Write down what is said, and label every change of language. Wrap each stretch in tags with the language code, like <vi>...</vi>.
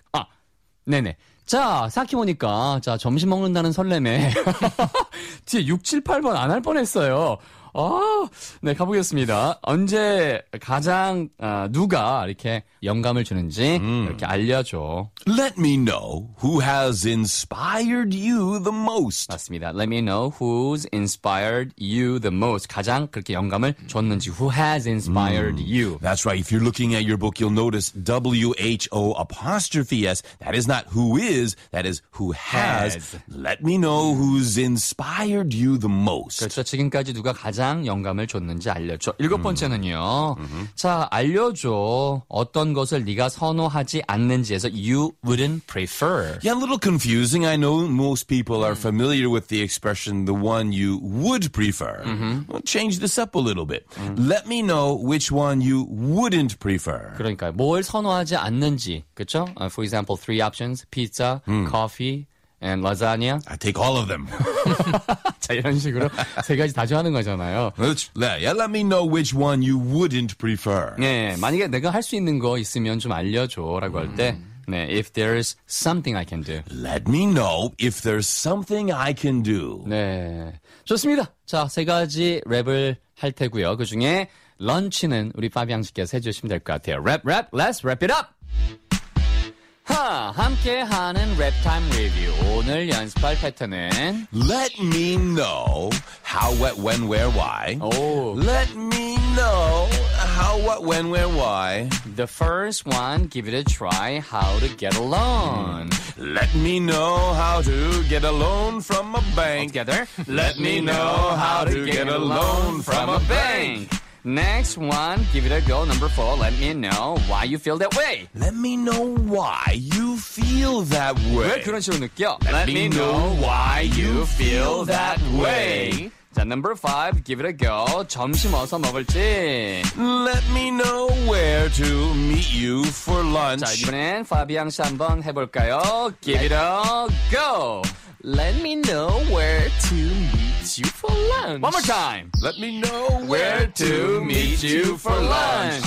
<ko>아, 네네. 자, 사키 보니까 자 점심 먹는다는 설렘에 뒤에 6, 7, 8번 안 할 뻔했어요. 아, 네, 가보겠습니다. 언제 가장 누가 이렇게 영감을 주는지 이렇게 알려줘.</ko> <en>Let me know who has inspired you the most.</en> <ko>맞습니다.</ko> <en>Let me know who's inspired you the most.</en> <ko>가장 그렇게 영감을 줬는지.</ko> <en>Who has inspired you? That's right. If you're looking at your book, you'll notice W-H-O apostrophe S. That is not who is. That is who has. Let me know who's inspired you the most.</en> <ko>그렇죠. 지금까지 누가 가장 영감을 줬는지 알려줘. 일곱 번째는요. 자, 알려줘. 어떤 것을 네가 선호하지 않는지에서</ko> <en>you wouldn't prefer. Yeah, a little confusing. I know most people are familiar with the expression the one you would prefer. Mm-hmm. We'll change this up a little bit. Let me know which one you wouldn't prefer.</en> <ko>그러니까 뭘 선호하지 않는지. 그렇죠?</ko> <en>For example, three options. Pizza, coffee, and lasagna. I take all of them.</en> <ko>자, 이런 식으로 세 가지 다 좋아하는 거잖아요.</ko> <en>Yeah, let me know which one you wouldn't prefer.</en> <ko>네, 만약에 내가 할 수 있는 거 있으면 좀 알려줘라고 할 때 네,</ko> <en>if there's something I can do. Let me know if there's something I can do.</en> <ko>네, 좋습니다. 자, 세 가지 랩을 할 테고요. 그중에 런치는 우리 파비앙 씨께서 해주시면 될 것 같아요.</ko> <en>Rap, rap, let's wrap it up!</en> <ko>함께하는 랩타임 리뷰. 오늘 연습할 패턴은</ko> <en>Let me know how, what, when, where, why. Oh. Let me know how, what, when, where, why. The first one, give it a try, how to get a loan. Let me know how to get a loan from a bank. Together. Let me know how to get a loan from a bank. Next one, give it a go. Number four, let me know why you feel that way. Let me know why you feel that way.</en> <ko>왜 그런 식으로 느껴?</ko> <en>Let me know why you feel that way. 자, number five, give it a go.</en> <ko>점심 어디서 먹을지.</ko> <en>Let me know where to meet you for lunch.</en> <ko>자, 이번엔 파비앙 씨 한번 해볼까요?</ko> <en>Give it a go. Let me know where to meet you for lunch. One more time. Let me know where to meet you for lunch.</en>